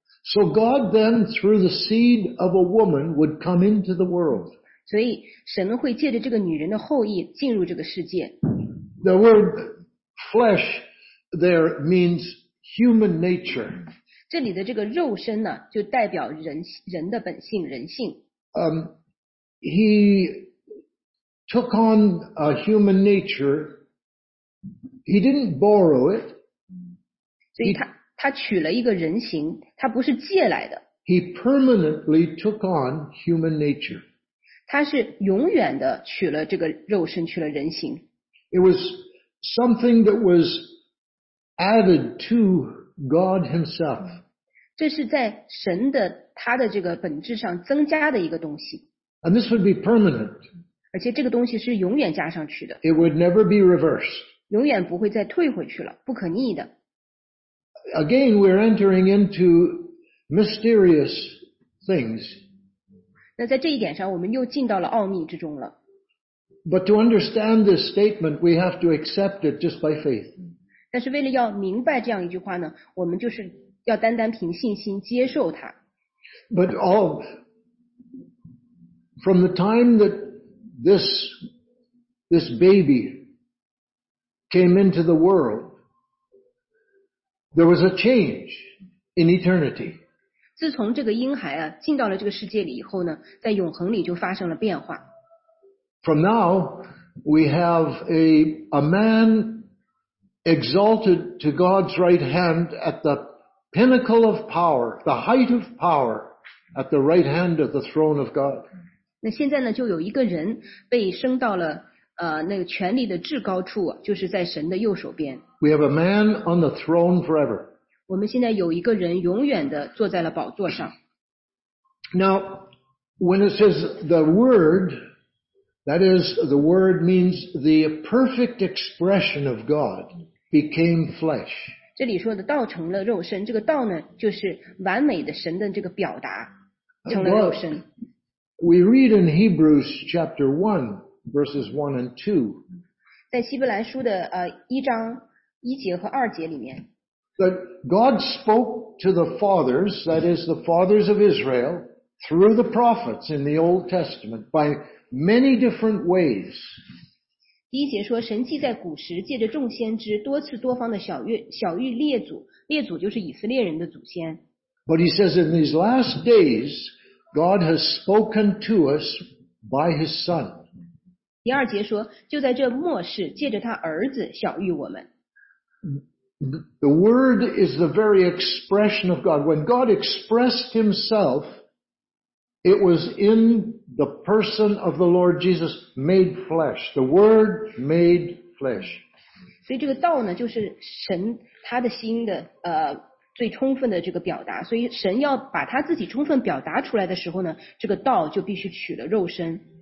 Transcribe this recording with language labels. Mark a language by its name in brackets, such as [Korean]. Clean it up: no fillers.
[English] So God then through the seed of a woman would come into the world. [Chinese] 所以神会借着这个女人的后裔进入这个世界。 [English] The word flesh there means human nature. [Chinese] 这里的这个肉身呢，就代表人的本性，人性。 [English] He took on a human nature. He didn't borrow it. [Chinese] 所以他取了一个人形，他不是借来的。 [English] He permanently took on human nature. [Chinese] 他是永远的取了这个肉身，取了人形。 [English] It was something that was added to God Himself. [Chinese] 这是在神的他的这个本质上增加的一个东西。 [English] And this would be permanent. [Chinese] 而且这个东西是永远加上去的。 [English] It would never be reversed. [Chinese] 永远不会再退回去了，不可逆的。 [English] Again, we're entering into mysterious things. [Chinese] 那在这一点上，我们又进到了奥秘之中了。 [English] But to understand this statement, we have to accept it just by faith. [Chinese] 但是为了要明白这样一句话呢，我们就是要单单凭信心接受它。 [English] But from the time that this baby came into the world, there was a change in eternity. [Chinese] 自从这个婴孩啊进到了这个世界里以后呢，在永恒里就发生了变化。 [English] From now, we have a man exalted to God's right hand at the pinnacle of power, the height of power, at the right hand of the throne of God. [Chinese] 那现在呢，就有一个人被升到了那个权力的至高处，就是在神的右手边。 [English] We have a man on the throne forever. [Chinese] 我们现在有一个人永远的坐在了宝座上。 [English] Now, when it says the word, that is, the word means the perfect expression of God became flesh. [Chinese] 这里说的道成了肉身，这个道呢，就是完美的神的这个表达，成了肉身。 [English] We read in Hebrews chapter 1, verses 1 and 2. [Chinese] 在希伯来书的一章一节和二节里面。 [English] That God spoke to the fathers, that is the fathers of Israel, through the prophets in the Old Testament, by many different ways. [Chinese] 第一节说神既在古时借着众先知多次多方的晓谕列祖，列祖就是以色列人的祖先。 [English] But he says in these last days,God has spoken to us by His Son. [Chinese] 第二节说，就在这末世，借着他儿子晓谕我们。 [English] The Word is the very expression of God. When God expressed Himself, it was in the person of the Lord Jesus made flesh. The Word made flesh. [Chinese] 所以这个道呢，就是神他的心的最充分的这个表达，所以神要把他自己充分表达出来的时候呢，这个道就必须取了肉身。